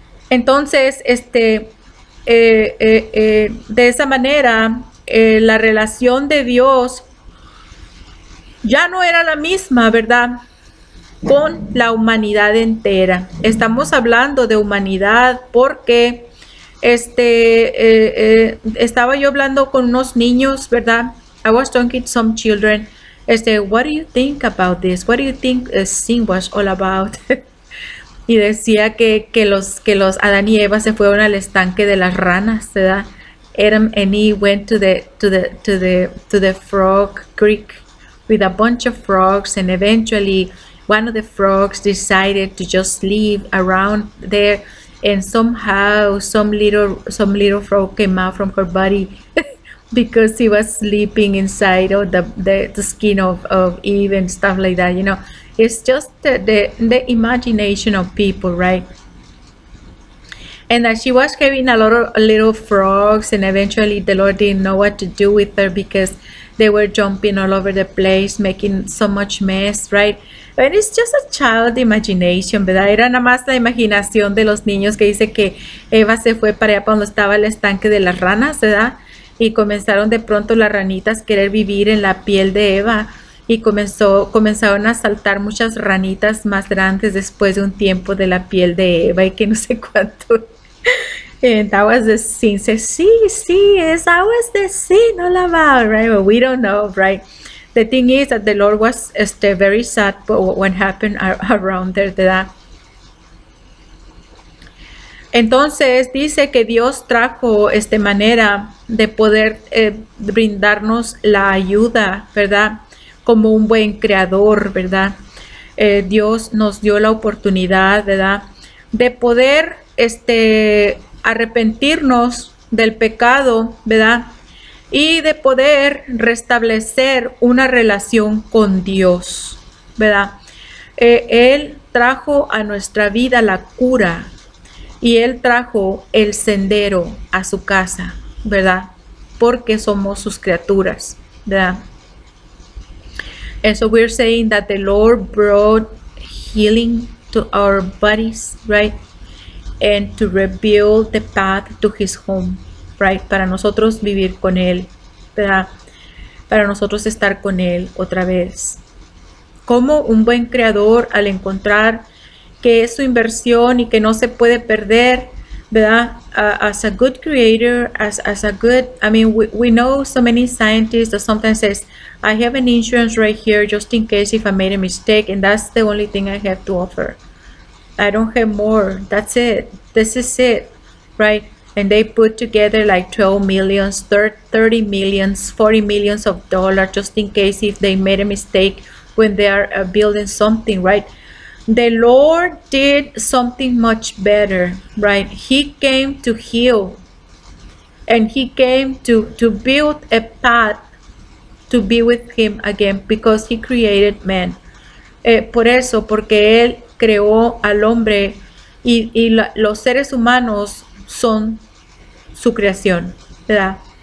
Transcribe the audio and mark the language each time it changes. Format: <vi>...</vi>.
<es>Entonces, este, de esa manera, la relación de Dios ya no era la misma, ¿verdad? Con la humanidad entera. Estamos hablando de humanidad porque este, estaba yo hablando con unos niños, ¿verdad?</es> <en>I was talking to some children. Este, what do you think about this? What do you think sin was all about?</en> <es>Y decía que los Adán y Eva se fueron al estanque de las ranas, ¿verdad?</es> <en>Adam and Eve went to the frog creek with a bunch of frogs, and eventually one of the frogs decided to just live around there, and somehow some little frog came out from her body because she was sleeping inside of the skin of Eve and stuff like that. You know, it's just the imagination of people, right? And that she was having a lot of little frogs, and eventually the Lord didn't know what to do with her because they were jumping all over the place, making so much mess, right? But it's just a child imagination, ¿verdad?</en> <es>Era nada más la imaginación de los niños que dice que Eva se fue para allá cuando estaba el estanque de las ranas, ¿verdad? Y comenzaron de pronto las ranitas querer vivir en la piel de Eva. Y comenzaron a saltar muchas ranitas más grandes después de un tiempo de la piel de Eva y que no sé cuánto.</es> <en>And that was the sin. Say, sí, it's always the sin all about, right? But we don't know, right? The thing is that the Lord was este, very sad for what happened around there, ¿verdad?</en> <es>Entonces, dice que Dios trajo esta manera de poder brindarnos la ayuda, ¿verdad? Como un buen creador, ¿verdad? Dios nos dio la oportunidad, ¿verdad? De poder este, arrepentirnos del pecado, ¿verdad? Y de poder restablecer una relación con Dios, ¿verdad? Él trajo a nuestra vida la cura y Él trajo el sendero a su casa, ¿verdad? Porque somos sus criaturas, ¿verdad?</es> <en>And so we're saying that the Lord brought healing to our bodies, right? And to rebuild the path to His home, right?</en> <es>Para nosotros vivir con Él, ¿verdad? Para nosotros estar con Él otra vez. Como un buen creador, al encontrar que es su inversión y que no se puede perder, ¿verdad?</es> <en>As a good creator, as a good, I mean, we know so many scientists that sometimes says, I have an insurance right here just in case if I made a mistake, and that's the only thing I have to offer. I don't have more. That's it. This is it, right? And they put together like 12 millions, 30 millions, 40 millions of dollars just in case if they made a mistake when they are building something, right? The Lord did something much better, right? He came to heal, and he came to build a path to be with him again, because he created man.</en> <es>Por eso, porque él creó al hombre, y los seres humanos son su creación, ¿verdad?</es>